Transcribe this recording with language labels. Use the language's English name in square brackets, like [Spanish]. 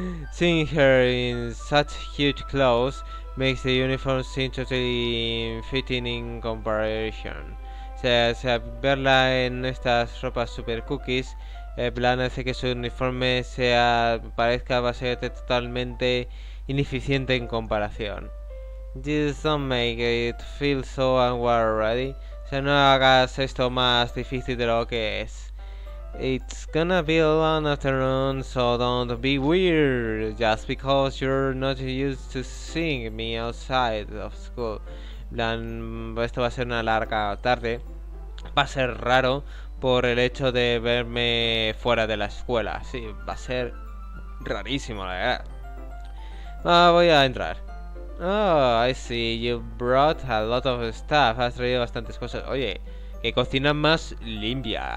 [English] Seeing her in such huge clothes makes the uniform seem totally fitting in comparison. [Spanish] O sea, verla en estas ropas super cookies, en plan, hace que su uniforme parezca bastante totalmente ineficiente en comparación. [English] This don't make it feel so unwell already. [Spanish] O sea, no hagas esto más difícil de lo que es. [English] It's gonna be a long afternoon, so don't be weird just because you're not used to seeing me outside of school. [Spanish] Plan, esto va a ser una larga tarde. Va a ser raro por el hecho de verme fuera de la escuela. Sí, va a ser rarísimo, la verdad. Ah, voy a entrar. [English] Oh, I see. You brought a lot of stuff. [Spanish] Has traído bastantes cosas. Oye, que cocina más limpia.